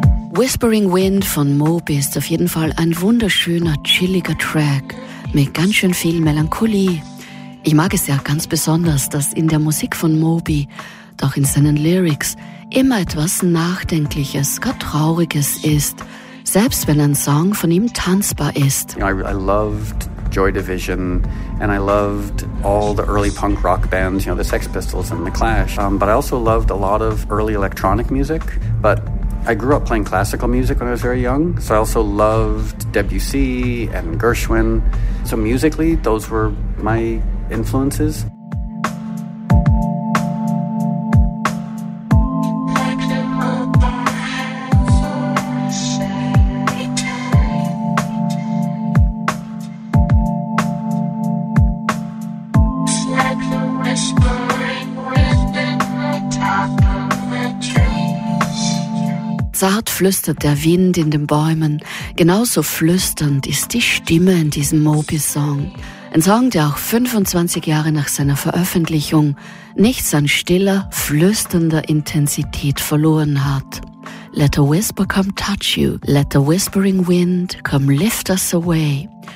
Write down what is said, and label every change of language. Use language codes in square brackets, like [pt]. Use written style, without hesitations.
[de] Whispering Wind von Moby ist auf jeden Fall ein wunderschöner, chilliger Track mit ganz schön viel Melancholie. Ich mag es ja ganz besonders, dass in der Musik von Moby, doch in seinen Lyrics, immer etwas Nachdenkliches, gar Trauriges ist, selbst wenn ein Song von ihm tanzbar ist. [en] You know, I loved Joy Division and I loved all the early punk rock bands, you know, the Sex Pistols and the Clash. But I also loved a lot of early electronic music, but I grew up playing classical music when I was very young, so I also loved Debussy and Gershwin. So musically, those were my influences. [de] Zart flüstert der Wind in den Bäumen, genauso flüsternd ist die Stimme in diesem Moby-Song. Ein Song, der auch 25 Jahre nach seiner Veröffentlichung nichts an stiller, flüsternder Intensität verloren hat. [en] Let a whisper come touch you, let the whispering wind come lift us away.